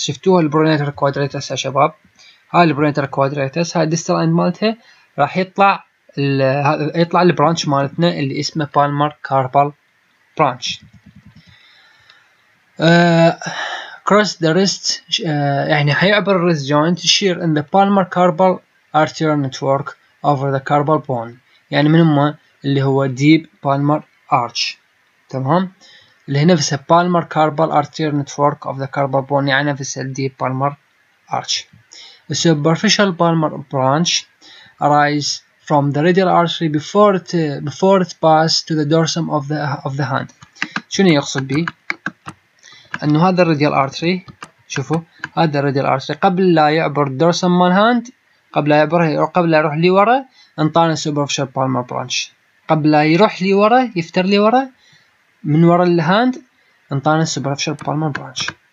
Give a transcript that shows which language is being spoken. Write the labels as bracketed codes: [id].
[ar] شفتوها البرونيتر كوادريتس يا شباب؟ هاي البرونيتر كوادريتس، هاي ديستال اند مالته راح يطلع البرانش مالتنا اللي اسمه بالمر كاربال برانش. [en] cross the wrist [ar] يعني حيعبر [en] الريست joint share in the palmar carpal arterial network over the carpal bone. [ar] يعني من هما اللي هو deep palmar arch تمام، اللي هي نفسها palmar carpal arterial network of the carpal bone يعني نفسها deep palmar arch. [en] the superficial palmar branch arise from the radial artery before it pass to the dorsum of the hand. [ar] شنو يقصد به؟ انه هذا الراديال artery، شوفوا هذا الراديال artery قبل لا يعبر dorsum مال hand، قبل لا يعبره قبل لا يروح لي ورا انطاني سوبرفيشال بالمر برانش. قبل لا يروح لي ورا يفتر لي ورا من ورا الهاند انطاني سوبرفيشال بالمر برانش.